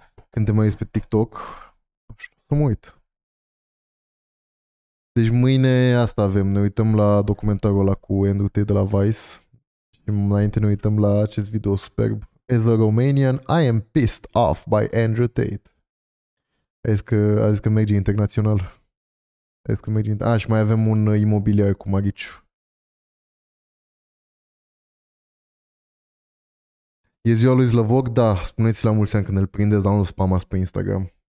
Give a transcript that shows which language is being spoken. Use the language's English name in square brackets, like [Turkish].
[Romanian] Când te mai uiți pe TikTok, să mă uit. Deci mâine asta avem. Ne uităm la documentarul ăla cu Andrew Tate de la Vice. Și înainte ne uităm la acest video superb. [English] As a Romanian, I am pissed off by Andrew Tate. [Romanian] A zis că merge internațional. Și mai avem un imobiliar cu Maghiciu. E ziua lui Slăvoc? Da, spuneți la mulți ani când îl prindeți, dar nu spamați pe Instagram.